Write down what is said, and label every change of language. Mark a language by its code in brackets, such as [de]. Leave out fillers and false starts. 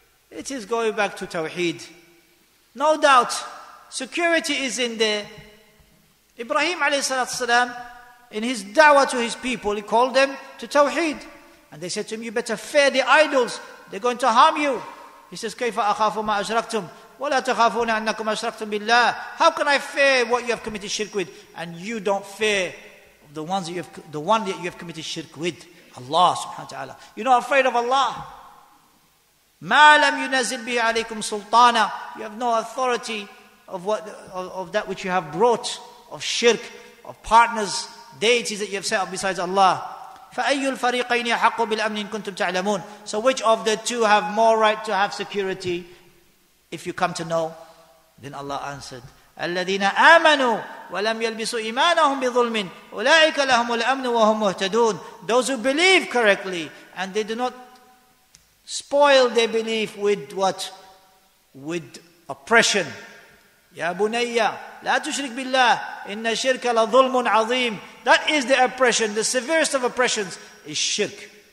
[en] It is going back to Tawheed. No doubt, security is in there. Ibrahim a.s. in his da'wah to his people, he called them to Tawheed. And they said to him, you better fear the idols. They're going to harm you. He says, [ar] كَيْفَ أَخَافُ مَا أَشْرَكْتُمْ وَلَا تَخَافُونَ أَنَّكُمْ أَشْرَكْتُمْ بِاللَّهِ. [en] How can I fear what you have committed shirk with? And you don't fear the one that you have committed shirk with, Allah subhanahu wa ta'ala. You're not afraid of Allah. [ar] مَا لَمْ يُنَزِلْ بِهِ عَلَيْكُمْ سُلْطَانًا. [en] You have no authority of that which you have brought, of shirk, of partners, deities that you have set up besides Allah. [ar] فَأَيُّ الْفَرِيقَيْنِ أَحَقُّ بِالْأَمْنِ إِن كُنْتُمْ تَعْلَمُونَ. [en] So which of the two have more right to have security, if you come to know? Then Allah answered, [ar] الَّذِينَ آمَنُوا وَلَمْ يَلْبِسُوا إِيمَانَهُمْ بِظُلْمٍ أُولَٰئِكَ لَهُمُ الْأَمْنُ وَهُمْ مُهْتَدُونَ. [en] Those who believe correctly and they do not spoil their belief with what? With oppression. [ar] يَا بُنَيَّ لَا تُشْرِكْ بِاللَّهِ إِنَّ الشِّرْكَ لَظُلْمٌ عَظِيمٌ. [en] That is the oppression. The severest of oppressions is shirk.